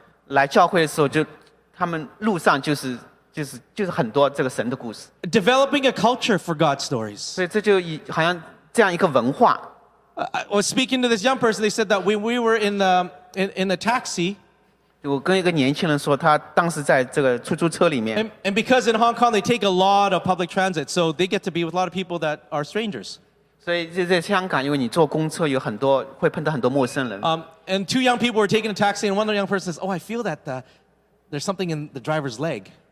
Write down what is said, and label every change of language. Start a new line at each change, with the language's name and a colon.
Chinese: 所以我碰到的这样的人，就是在坐公车2个小时来教会的时候，就他们路上就是。
English: Developing a culture for God stories. I was speaking to this young person, they said that when we were in the taxi,
Chinese: 我跟一个年轻人说，他当时在这个出租车里面,
English: and because in Hong Kong they take a lot of public transit, so they get to be with a lot of people that are strangers.
Chinese: 所以在香港，因为你坐公车有很多会碰到很多陌生人。
English: And two young people were taking a taxi, and one of the young person says, "Oh, I feel that there's something in the driver's leg."